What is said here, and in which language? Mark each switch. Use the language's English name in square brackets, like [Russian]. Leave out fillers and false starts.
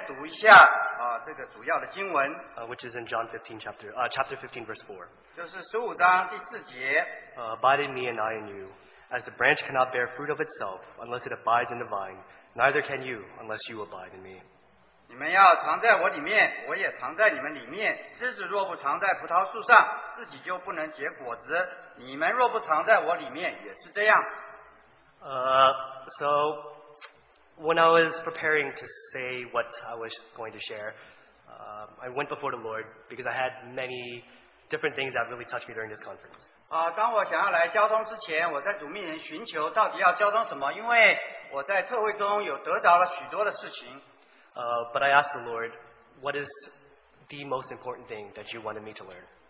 [Chinese] 在交通之前，我想再读一下这个主要的经文。 [English] Which is in John 15 chapter 15 verse 4. [Chinese] 就是十五章第四节。 [English] Abide in me and I in you, as the branch cannot bear fruit of itself unless it abides in the vine. Neither can you unless you abide in me. [Chinese] 你们要藏在我里面，我也藏在你们里面。枝子若不藏在葡萄树上，自己就不能结果子。你们若不藏在我里面，也是这样。 [English] So when I was preparing to say what I was going to share, I went before the Lord because I had many different things that really touched me during this conference. [Chinese] 当我想要来交通之前，我在主面前寻求到底要交通什么，因为 [English] But I asked the Lord, what is the most important thing that you wanted me to learn?